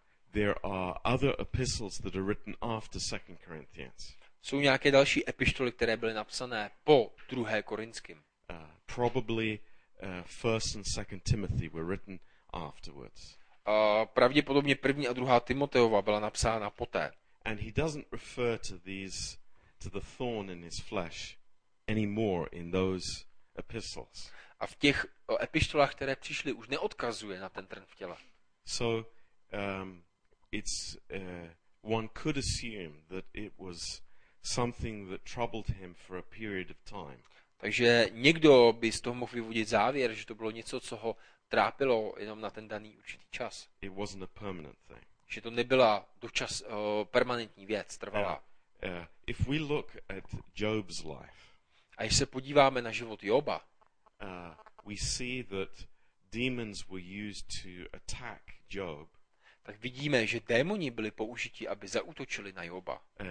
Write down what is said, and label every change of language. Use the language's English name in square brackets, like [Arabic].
[English] There are other epistles that are written after 2 Corinthians. [Czech] Jsou nějaké další epištoly, které byly napsané po 2. Korinským. [English] Probably 1 and 2 Timothy were written afterwards. [Czech] Pravděpodobně 1. a 2. Timoteova byla napsána poté. [English] And he doesn't refer to these to the thorn in his flesh anymore in those epistles. [Czech] A v těch epištolách, které přišly, už neodkazuje na ten trn v těle. [English] So it's one could assume that it was something that troubled him for a period of time. [Czech] Takže někdo by z toho mohl vyvodit závěr, že to bylo něco, co ho trápilo jenom na ten daný určitý čas. [English] It wasn't a permanent thing. [Czech] Že to nebyla dočas permanentní věc, trvalá. [English] If we look at Job's life. [Czech] A když se podíváme na život Joba. [English] We see that demons were used to attack Job. [Czech] Tak vidíme, že démoni byli použiti, aby zaútočili na Joba.